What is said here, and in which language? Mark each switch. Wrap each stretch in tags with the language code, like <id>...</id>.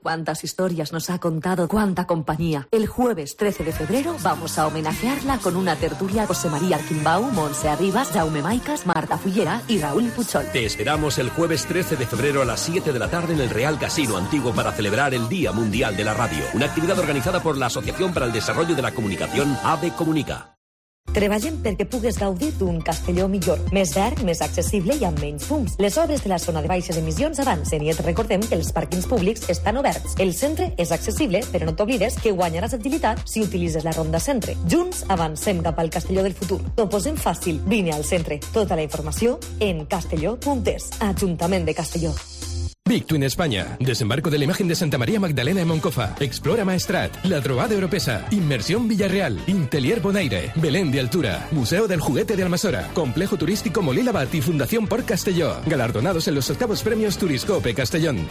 <es>¡Cuántas historias nos ha contado! ¡Cuánta compañía! El jueves 13 de febrero vamos a homenajearla con una tertulia a José María Arquimbau, Montse Arribas, Jaume Maicas, Marta Fullera y Raúl Puchol. Te esperamos el jueves 13 de febrero a las 7 de la tarde en el Real Casino Antiguo para celebrar el Día Mundial de la Radio. Una actividad organizada por la Asociación para el Desarrollo de la Comunicación, AVE Comunica.</es> <ca>Treballem perquè pugues gaudir d'un Castelló millor, més llarg, més accessible i amb menys fums. Les obres de la zona de baixes emissions avancen i et recordem que els pàrquings públics estan oberts. El centre és accessible, però no t'oblides que guanyaràs agilitat si utilitzes la ronda centre. Junts avancem cap al Castelló del futur. T'ho posem fàcil. Vine al centre. Tota la informació en castelló.es. Ajuntament de Castelló.</ca> <es>Big Twin España. Desembarco de la imagen de Santa María Magdalena en Moncofa. Explora Maestrat. La Trobada Europea. Inmersión Villarreal. Intelier Bonaire. Belén de Altura. Museo del Juguete de Almasora. Complejo Turístico Molí Labat y Fundación Port Castelló. Galardonados en los octavos premios Turiscope Castellón.</es>